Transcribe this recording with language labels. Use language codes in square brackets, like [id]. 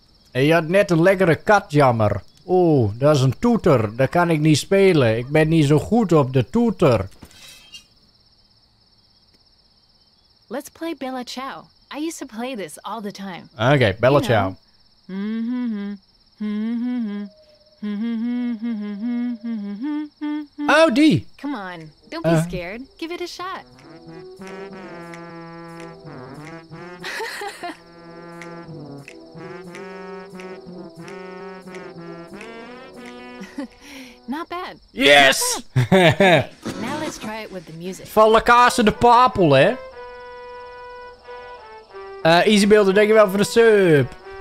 [nl] En je had net een lekkere katjammer. Oeh, dat is een toeter. Dat kan ik niet spelen. Ik ben niet zo goed op de toeter. [en] Let's play Bella Ciao. I used to play this all the time. Oké, okay, Bella you Ciao. Know. [nl] Oh, die. [en] Come on, don't be scared. Give it a shot. Not bad. Yes! Okay, now let's try it with the music. [nl] Van La Casa de Papel, hè? Easy Builder, dankjewel voor de sub.